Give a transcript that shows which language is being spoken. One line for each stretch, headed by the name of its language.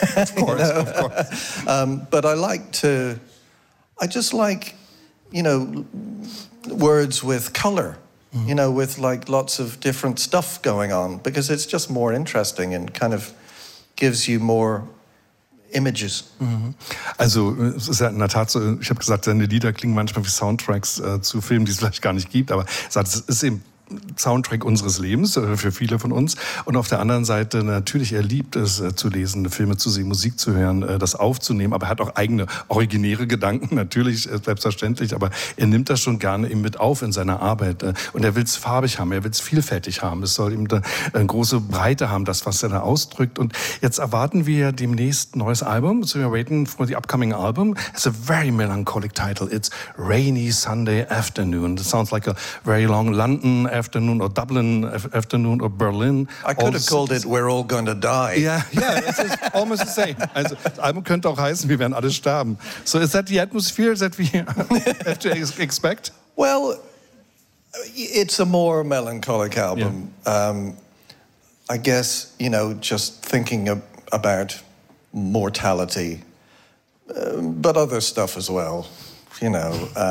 English: Of course. But I just like, words with color. With like lots of different stuff going on because it's just more interesting and kind of gives you more images.
German: Also es ist ja in der Tat so, ich habe gesagt, seine Lieder klingen manchmal wie Soundtracks zu Filmen, die es vielleicht gar nicht gibt, aber es ist eben Soundtrack unseres Lebens für viele von uns. Und auf der anderen Seite, natürlich, er liebt es zu lesen, Filme zu sehen, Musik zu hören, das aufzunehmen, aber er hat auch eigene originäre Gedanken, natürlich, selbstverständlich, aber er nimmt das schon gerne eben mit auf in seiner Arbeit. Und er will es farbig haben, er will es vielfältig haben, es soll ihm eine große Breite haben, das, was er da ausdrückt. Und jetzt erwarten wir demnächst ein neues Album,
English: so we're waiting for the upcoming album. It's a very melancholic title, it's Rainy Sunday Afternoon. It sounds like a very long London afternoon or Dublin afternoon or Berlin. I could have called it We're All Gonna Die. Yeah, it's almost the same.
German: Also, das Album könnte auch heißen Wir werden alle sterben.
English: So is that the atmosphere that we have to expect? Well, it's a more melancholic album. Yeah. I guess, you know, just thinking about mortality, but other stuff as well, you know.